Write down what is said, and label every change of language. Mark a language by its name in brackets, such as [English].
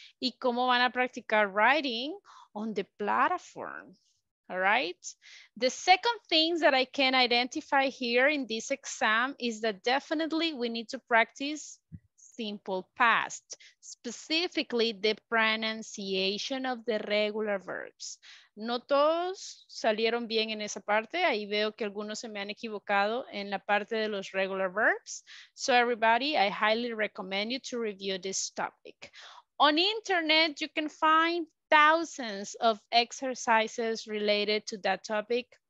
[Spanish] ¿Y cómo van a practicar writing? [English] On the platform, all right? The second thing that I can identify here in this exam is that definitely we need to practice simple past, specifically the pronunciation of the regular verbs. [Spanish] No todos salieron bien en esa parte. Ahí veo que algunos se me han equivocado en la parte de los regular verbs. [English] So everybody, I highly recommend you to review this topic. On internet, you can find thousands of exercises related to that topic.